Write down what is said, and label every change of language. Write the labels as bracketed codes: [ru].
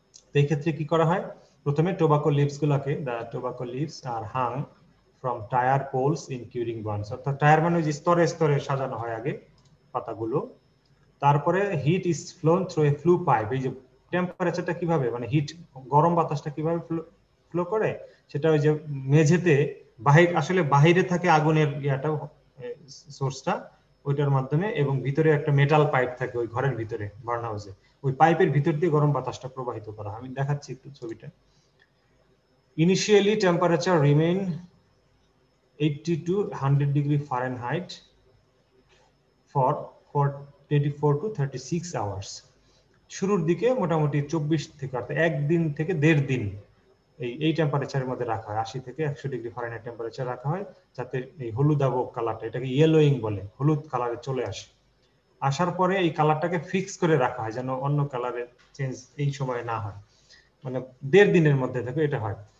[bn] তো এই ক্ষেত্রে কি করা হয়, প্রথমে টোবাকো লিভস গুলাকে, [en] the tobacco leaves are hung from tier poles in curing barns, [bn] অর্থাৎ টায়ার মানে যে স্তরে স্তরে সাজানো হয় আগে পাতাগুলো, তারপরে [en] heat is flown through a flue pipe, [bn] এই যে টেম্পারেচারটা কিভাবে মানে হিট গরম বাতাসটা কিভাবে ফ্লো করে, সেটা ওই যে মেঝেতে বাহির আসলে বাহিরে থাকে আগুনের ইয়াটা সোর্সটা ওইটার মাধ্যমে, এবং ভিতরে একটা মেটাল পাইপ থাকে ওই ঘরের ভিতরে বার্ন হাউসে, ওই পাইপের ভিতর দিয়ে গরম বাতাসটা প্রবাহিত করা। আমি দেখাচ্ছি একটু ছবিটা। [en] Initially temperature remain 80 to 100 degrees Fahrenheit for 24 to 36 hours. [bn] শুরুর দিকে মোটামুটি 24 থেকে অর্থাৎ একদিন থেকে দেড় দিন এই এই টেম্পারেচারের মধ্যে রাখা হয়, 80 থেকে 100 ডিগ্রি ফারেনহাইট টেম্পারেচার রাখা হয়, যাতে এই হলুদাভ কালারটা, এটাকে ইয়েলোয়িং বলে, হলুদ কালারে চলে আসে। আসার পরে এই কালারটাকে ফিক্স করে রাখা হয় যেন অন্য কালারের চেঞ্জ এই সময় না হয়, মানে দেড় দিনের মধ্যে থেকে এটা হয়।